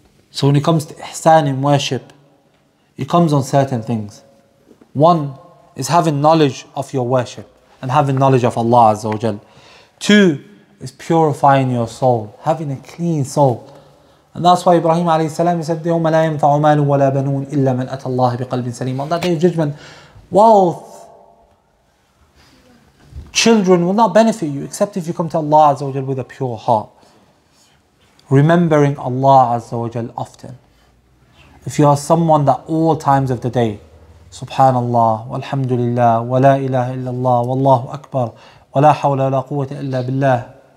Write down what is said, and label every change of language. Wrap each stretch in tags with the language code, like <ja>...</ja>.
<en>So when it comes to ihsan in worship, it comes on certain things. One is having knowledge of your worship and having knowledge of Allah Azza wa Jal. Two is purifying your soul, having a clean soul.</en> <ar>And that's why Ibrahim alayhi salam said, يَوْمَ لَا يَنْفَعُ مَالٌ وَلَا بَنُونَ إِلَّا مَنْ أَتَى اللَّهِ بِقَلْبٍ سَلِيمٍ.</ar> <en>On that day of judgment, wealth, children will not benefit you except if you come to Allah Azza wa Jal with a pure heart. Remembering Allah Azza wa Jal often. If you are someone that all times of the day, Subhanallah, walhamdulillah, wa la ilaha illallah, wallahu akbar, wa la hawla wa la quwwata illa billah.</en>